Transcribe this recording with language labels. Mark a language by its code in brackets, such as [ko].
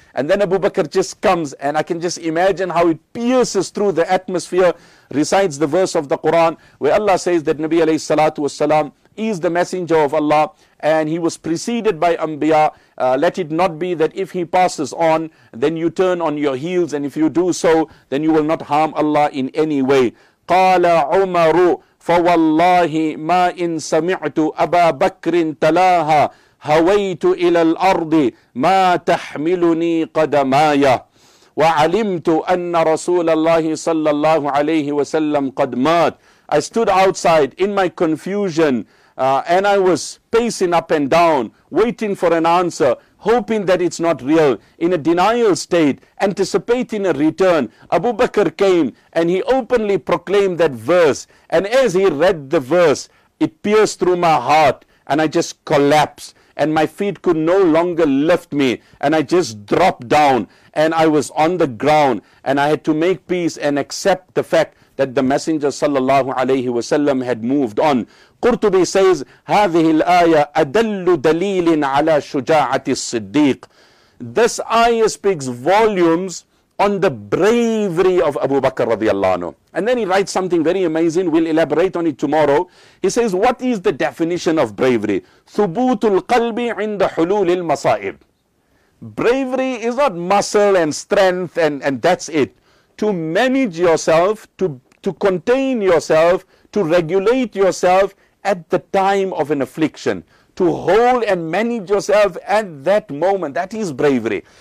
[en] And then Abu Bakr just comes, and I can just imagine how it pierces through the atmosphere, recites the verse of the Quran, where Allah says that Nabi alayhi salatu wasalam is the messenger of Allah, and he was preceded by Anbiya. Let it not be that if he passes on, then you turn on your heels, and if you do so, then you will not harm Allah in any way. [ar] قال عمر فوالله ما إن سمعت أبا بكر تلاها هويت إلى الأرض ما تحملني قدماي وعلمت أن رسول الله صلى الله عليه وسلم قد مات. [en] I stood outside in my confusion, and I was pacing up and down, waiting for an answer, hoping that it's not real, in a denial state, anticipating a return. Abu Bakr came and he openly proclaimed that verse. And as he read the verse, it pierced through my heart and I just collapsed. And my feet could no longer lift me. And I just dropped down and I was on the ground. And I had to make peace and accept the fact that the Messenger sallallahu alayhi wasallam had moved on. Qurtubi says, [ar] هذه الآية أدل دليل على شجاعة الصديق. [en] This ayah speaks volumes on the bravery of Abu Bakr radiallahu anhu. And then he writes something very amazing. We'll elaborate on it tomorrow. He says, what is the definition of bravery? [ar] ثبوت القلب عند حلول المصائب. [en] Bravery is not muscle and strength and that's it. To manage yourself, to contain yourself, to regulate yourself at the time of an affliction, to hold and manage yourself at that moment, that is bravery.